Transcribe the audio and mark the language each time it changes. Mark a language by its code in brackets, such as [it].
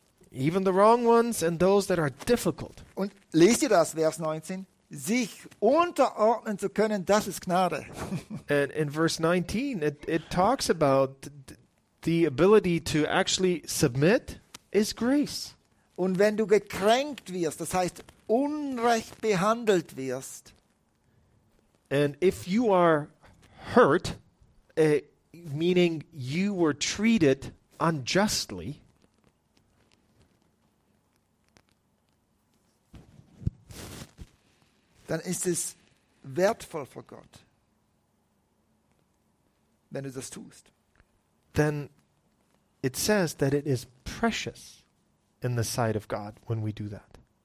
[en] Even the wrong ones and those that are difficult. [de] Und lest ihr das, Vers 19? sich unterordnen zu können, das ist Gnade. [en] And in verse 19, it talks about the ability to actually submit is grace. [de] Und wenn du gekränkt wirst, das heißt unrecht behandelt wirst, [en] and if you are hurt, meaning you were treated unjustly, [de] dann ist es wertvoll vor Gott, wenn du das tust. [en] Then it says that it is precious in the sight of God when we do that.